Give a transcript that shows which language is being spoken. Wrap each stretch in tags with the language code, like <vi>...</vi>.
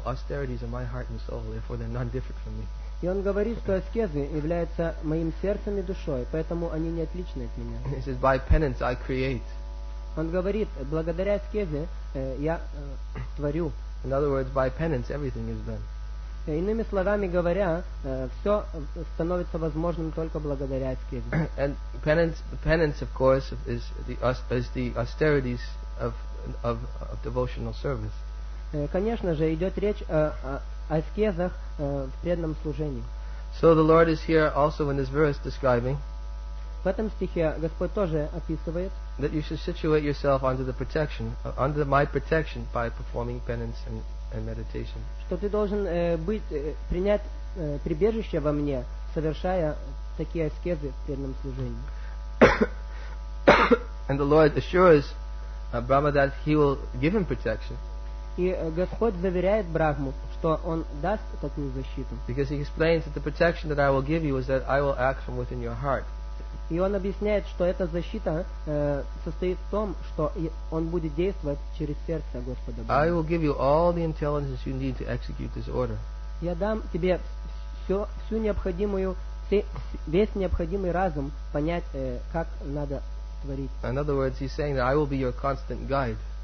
<en>Austerities are my heart and soul, therefore they're none different from me.</en> <ru>И он говорит, что аскезы являются моим сердцем и душой, поэтому они не отличны от меня.</ru> <en>He says, by penance I create.</en> <ru>Он говорит, благодаря аскезе я творю.</ru> <en>In other words, by penance everything is done.</en> <ru>Иными словами говоря, все становится возможным только благодаря аскезе.</ru> <en>And penance, of course, is the austerities of devotional service.</en> <ru>Конечно же, идет речь о аскезах в преданном служении.</ru> <en>So the Lord is here also in this verse describing.</en> <ru>В этом стихе Господь тоже описывает.</ru> <en>That you should situate yourself under my protection by performing penance and meditation.</en> <ru>Что ты должен принять прибежище во мне, совершая такие аскезы в преданном служении.</ru> <en>And the Lord assures Brahma that he will give him protection.</en> <ru>И Господь заверяет Брахму, что он даст такую защиту.</ru> <en>Because he explains that the protection that I will give you is that I will act from within your heart.</en> <ru>И он объясняет, что эта защита состоит в том, что он будет действовать через сердце Господа Бога.</ru> <en>I will give you all the intelligence you need to execute this order.</en> <ru>Я дам тебе весь необходимый разум понять, как надо творить.</ru> <en>In other words, he's saying that I will be your constant guide.</en>